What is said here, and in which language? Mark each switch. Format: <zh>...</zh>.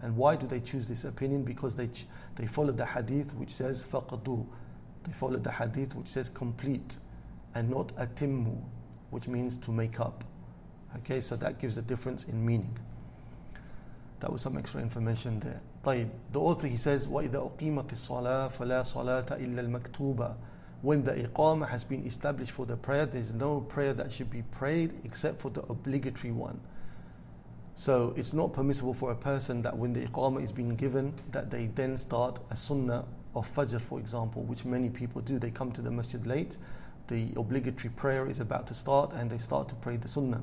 <en>And why do they choose this opinion? Because they follow the hadith which says faqadu, they follow the hadith which says complete, and not atimmu, which means to make up. Okay, so that gives a difference in meaning. That was some extra information there.</en> <ar>طيب,</ar> <en>the author, he says,</en> <ar>وَإِذَا أُقِيمَتِ الصَّلَاةِ فَلَا صَلَاةَ إِلَّا الْمَكْتُوبَةِ.</ar> <en>When the iqama has been established for the prayer, there is no prayer that should be prayed except for the obligatory one. So it's not permissible for a person that when the iqama is being given, that they then start a sunnah of fajr, for example, which many people do. They come to the masjid late, the obligatory prayer is about to start, and they start to pray the sunnah.</en>